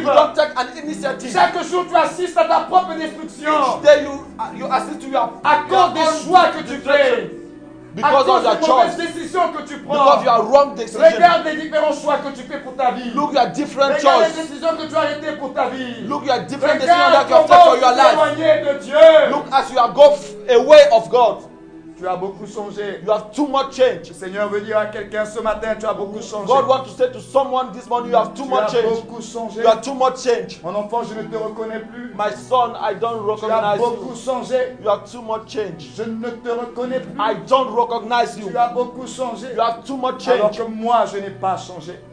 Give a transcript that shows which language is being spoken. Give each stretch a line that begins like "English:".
English: You don't take an initiative.
French: Chaque jour, tu assistes à ta propre destruction.
English: Each day, you assist to your
French: à cause des choix que tu fais.
English: Because of your choice.
French: Des décisions que tu prends.
English: Because of your wrong decision.
French: Regarde les différents choix que tu fais pour ta vie.
English: Look your different
French: regarde
English: choice.
French: Les décisions que tu as été pour ta vie.
English: Look your different decisions that you have taken for your life.
French: Éloigné de Dieu.
English: Look as you have gone away of God.
French: Tu as beaucoup changé.
English: You have too much change.
French: Le Seigneur veut dire à quelqu'un ce matin, tu as beaucoup changé.
English: God wants to say to someone this morning, you have too
French: tu
English: much change.
French: Tu as beaucoup changé.
English: You have too much change.
French: Mon enfant, je ne te reconnais plus.
English: My son, I don't recognize you.
French: Tu as beaucoup changé.
English: You have too much change.
French: Je ne te reconnais plus.
English: I don't recognize you.
French: Tu as beaucoup changé.
English: You have too much change.
French: Alors que moi, je n'ai pas changé.